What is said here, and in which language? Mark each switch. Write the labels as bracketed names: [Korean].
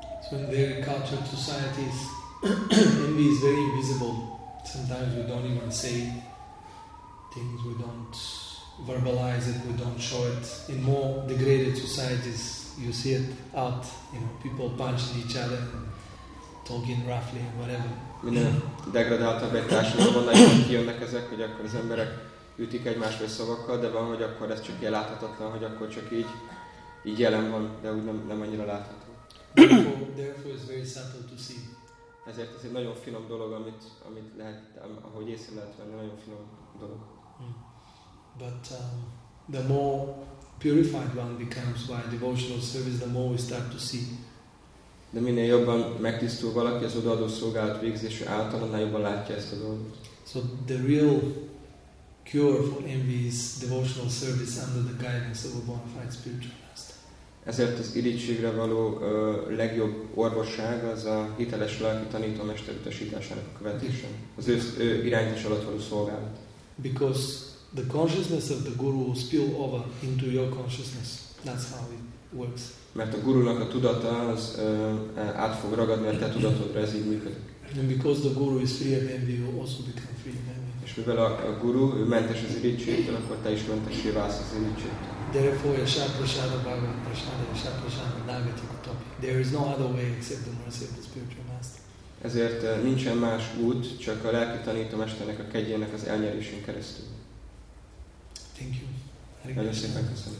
[English] So in their cultural societies, envy is very invisible. Sometimes we don't even say things, we don't verbalize it, we don't show it. In more degraded societies, you see it out, you know, people punching each other, talking roughly, whatever. [Hungarian] Minden degradáltabb egy társadalomban nagyon kijönnek ezek, hogy akkor az emberek ütik egymást vagy szavakkal, de van, hogy akkor ez csak ilyen láthatatlan, hogy akkor csak így jelen van, de úgy nem annyira látható. [English] Therefore it's very subtle to see. [Hungarian] Ezért ez egy nagyon finom dolog, amit lehet, ahogy észre lehet venni, nagyon finom dolog. [English] But the more purified one becomes by devotional service, the more we start to see. [Hungarian] De minél jobban megtisztul valaki az odaadó szolgálat végzése által, annál jobban látja ezt a dolgot. [English] So the real cure for envy is devotional service under the guidance of a bona fide spiritual master. [Hungarian] Ezért az irigységre való legjobb orvosság az a hiteles lelki tanítómester utasításának a követése. Az ő irányítás alatt való szolgálat. [English] Because the consciousness of the guru will spill over into your consciousness. That's how it works. [Hungarian] Mert a gurunak a tudata az át fog ragadni a te tudatodra, ez így működik. [English] And because the guru is free of envy, you also become free of envy. [Hungarian] És mivel a guru mentes az irigységtől, akkor te is mentessé válsz az irigységtől. Therefore, yashaprasada bhagavad prasada yashaprasada nagatik utopi. [English] There is no other way except the mercy of the spiritual master. [Hungarian] Ezért nincsen más út, csak a lelki tanítomesternek a kegyének az elnyerésén keresztül. [English] Thank you. [Hungarian] Nagyon szépen köszönöm.